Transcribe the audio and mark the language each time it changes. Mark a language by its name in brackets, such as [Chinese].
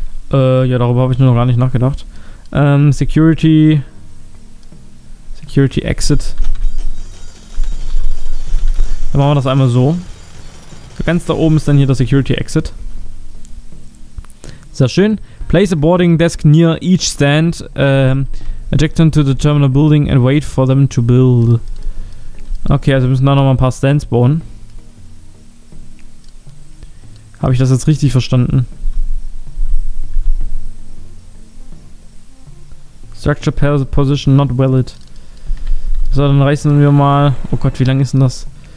[German] Ja, darüber habe ich noch gar nicht nachgedacht. Security Exit. Dann machen wir das einmal so. Ganz da oben ist dann hier der Security Exit. Sehr schön. [English] Place a boarding desk near each stand. Eject them to the terminal building and wait for them to build. [German] Okay, also wir müssen da nochmal ein paar Stands bauen. Habe ich das jetzt richtig verstanden? [English] Structure position not valid. [German] So, dann reißen wir mal. Oh Gott, wie lang ist denn das?